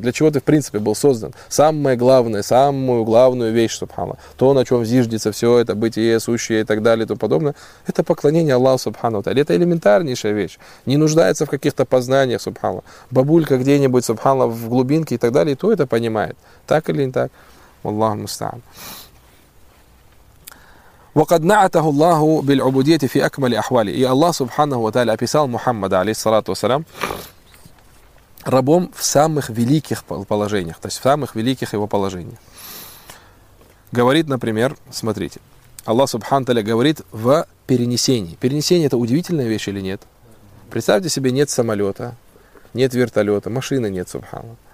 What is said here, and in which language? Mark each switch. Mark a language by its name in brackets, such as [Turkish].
[Russian] Для чего ты, в принципе, был создан? Самое главное, самую главную вещь, субхана, то, на чем зиждется все это, бытие, сущее и так далее и тому подобное, это поклонение Аллаху, субхана, вот, это элементарнейшая вещь. Не нуждается в каких-то познаниях, субхана. Бабулька где-нибудь, субхана, в глубинке и так далее, и то это понимает. Так или не так? Аллаху мустаан. [Arabic] وقد نعته الله بالعبودية في أكمل أحواله. [Russian] И Аллах Субханаху ва Тааля описал Мухаммада, алейхиссалату вассалям, рабом в самых великих положениях, то есть в самых великих его положениях. Говорит, например, смотрите, Аллах Субханаху ва Тааля говорит в перенесении. Перенесение – это удивительная вещь или нет? Представьте себе, нет самолета, нет вертолета, машины нет, субхана.